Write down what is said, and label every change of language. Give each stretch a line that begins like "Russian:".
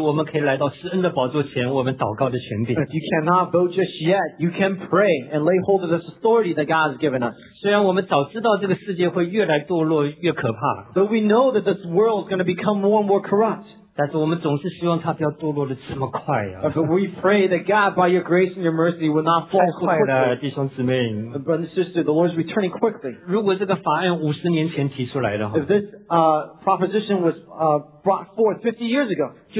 Chinese: 没有投票权，请我们珍惜我们可以来到施恩的宝座前，我们祷告的权柄。
English: If you cannot vote just yet, you can pray and lay hold of this authority that God has given us.
Chinese: 虽然我们早知道这个世界会越来堕落越可怕。
English: Though we know that this world is going to become more and more corrupt.
Chinese: 但是我们总是希望它不要堕落得这么快啊。
English: But we pray that God, by your grace and your mercy, will not fall so quickly.
Chinese: 太快了，弟兄姊妹。
English: Brother and sister, the Lord is returning quickly.
Chinese: 如果这个法案50年前提出来的话。
English: If this proposition was brought forth 50 years ago.